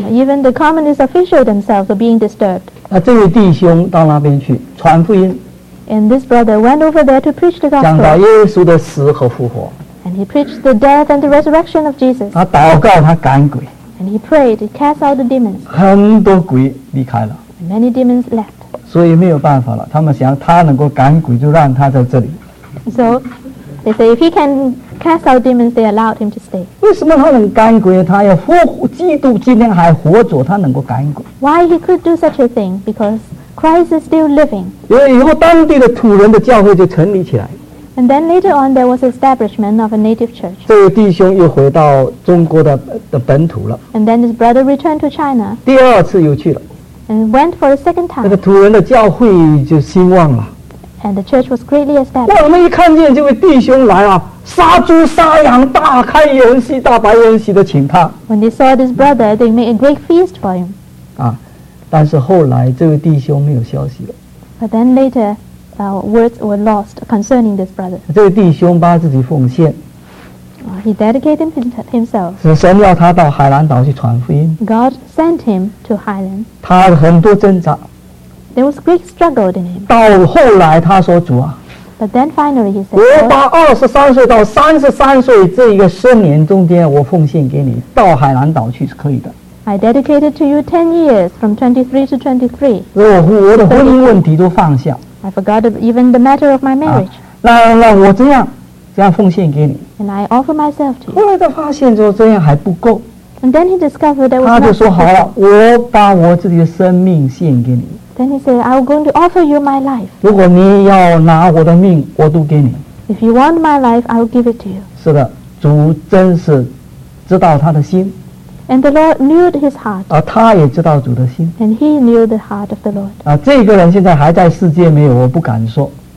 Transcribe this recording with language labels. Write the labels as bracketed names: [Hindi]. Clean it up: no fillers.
[English] Even the communist officials themselves were being disturbed. [Chinese] 那这位弟兄到那边去传福音。 [English] And this brother went over there to preach the gospel. [Chinese] 讲到耶稣的死和复活。 [English] And he preached the death and the resurrection of Jesus. [Chinese] 他祷告，他赶鬼。 [English] And he prayed, he cast out the demons. [Chinese] 很多鬼离开了。 [English] And many demons left. [Chinese] 所以没有办法了，他们想他能够赶鬼，就让他在这里。 [English] So they say if he can. Cast out demons, they allowed him to stay. [Chinese] 为什么他能赶鬼？他要复活，基督今天还活着，他能够赶鬼。 [English] Why he could do such a thing? Because Christ is still living. [Chinese] 因为以后当地的土人的教会就成立起来。 [English] And then later on, there was establishment of a native church. [Chinese] 这位弟兄又回到中国的本土了。 [English] And then his brother returned to China. [Chinese] 第二次又去了。 [English] And went for a second time. [Chinese] 那个土人的教会就兴旺了。 [English] And the church was greatly established. [Chinese] 我们一看见这位弟兄来啊，杀猪杀羊，大开筵席，大摆筵席的请他。 [English] When they saw this brother, they made a great feast for him. [Chinese] 啊，但是后来这位弟兄没有消息了。 [English] But then later, words were lost concerning this brother. [Chinese] 这位弟兄把自己奉献。 [English] He dedicated himself. [Chinese] 神要他到海南岛去传福音。 [English] God sent him to Highland. [Chinese] 他很多挣扎。 [English] There was great struggle in him. [Chinese] 到后来他说主啊。 [English] But then finally he said, [Chinese] 我把23岁到33岁这一个生年中间我奉献给你，到海南岛去是可以的。 [English] I dedicated to you 10 years from 23 to 23. [Chinese] 我的婚姻问题都放下。 [English] I forgot even the matter of my marriage. [Chinese] 那我这样奉献给你。 [English] And I offer myself to you. [Chinese] 后来他发现说这样还不够。 [English] And then he discovered that was not enough. [Chinese] 他就说好了，我把我自己的生命献给你。 [English] Then he said, I'm going to offer you my life. [Chinese] 如果你要拿我的命，我都给你。 [English] If you want my life, I will give it to you. [Chinese] 是的，主真是知道他的心。 [English] And the Lord knew his heart. [Chinese] 他也知道主的心。 [English] And he knew the heart of the Lord. [Chinese] 这个人现在还在世界没有，我不敢说。